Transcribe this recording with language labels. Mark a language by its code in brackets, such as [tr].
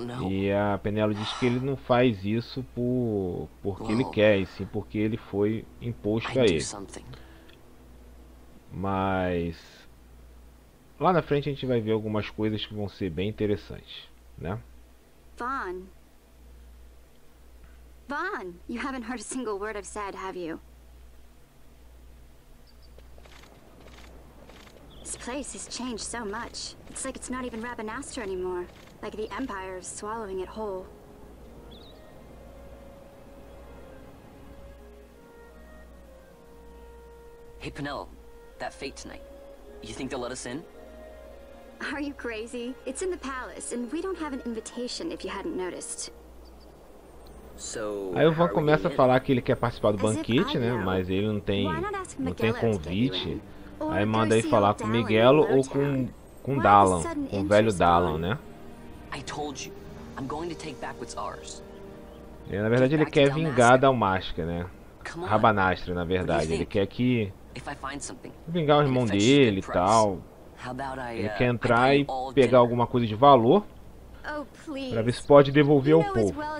[pt] E a Penelo diz que ele não faz isso porque ele quer, e sim porque ele foi imposto a ele. Mas lá na frente a gente vai ver algumas coisas que vão ser bem interessantes, né? [en] Vaughn. Vaughn, you haven't heard a single word I've said, have you? This place has changed so much. It's like it's not even Rabanaster anymore. Like the Empire is swallowing it whole. Hey, Pinel, that fate tonight. You think they'll let us in? Are you crazy? It's in the palace, and we don't have an invitation if you hadn't noticed. So, [pt] aí o Van começa a falar que ele quer participar do banquete, né? Mas ele não tem convite. Aí manda aí falar com Miguelo ou com Dallan, com o velho Dallan, né? [en] I told you, I'm going to take back what's ours. [pt] É, na verdade, ele quer vingar Dalmasca, né? Rabanastra, na verdade. Ele quer que vingar o irmão dele e tal. Ele quer entrar e pegar alguma coisa de valor pra ver se pode devolver ao povo.